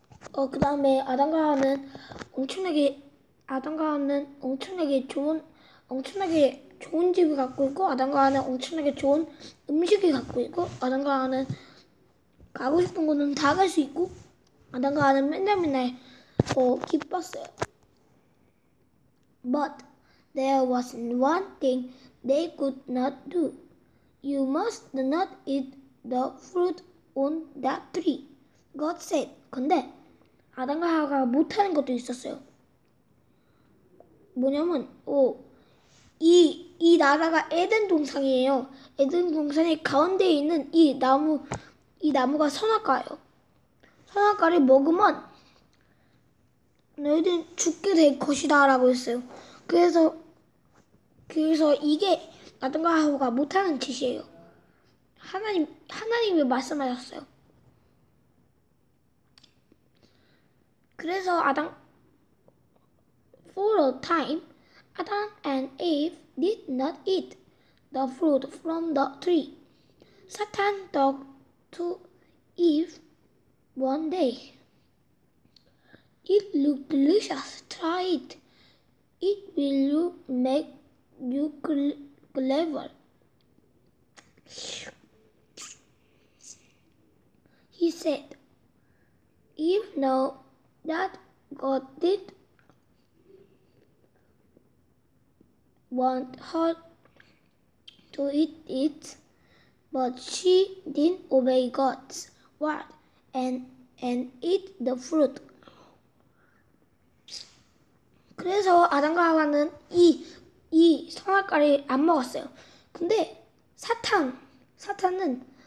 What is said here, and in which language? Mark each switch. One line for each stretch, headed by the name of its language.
Korean: 그 다음에 엄청나게 좋은 집을 갖고 있고, 아담과 하와는 엄청나게 좋은 음식을 갖고 있고, 아담과 하와는 가고 싶은 곳은 다 갈 수 있고, 아담과 하와는 맨날 기뻤어요.
English: But there was one thing they could not do. You must not eat the fruit on that tree, God said.
Korean: 근데 아담과 하와가 못하는 것도 있었어요. 뭐냐면, 이 나라가 에덴 동산이에요. 에덴 동산의 가운데에 있는 이 나무가 선악과예요. 선악과를 먹으면 너희들 죽게 될 것이다 라고 했어요. 그래서 이게 아담과 하와가 못하는 짓이에요. 하나님이 말씀하셨어요. 그래서
English: for a time, Adam and Eve did not eat the fruit from the tree. Satan talked to Eve one day. It looked delicious. Try it. It will make you clever. He said, Eve know that God did want her to eat it, but she didn't obey God's word and eat the fruit.
Korean: 그래서 아담과 하와는 이 선악과를 안 먹었어요. 근데 사탄은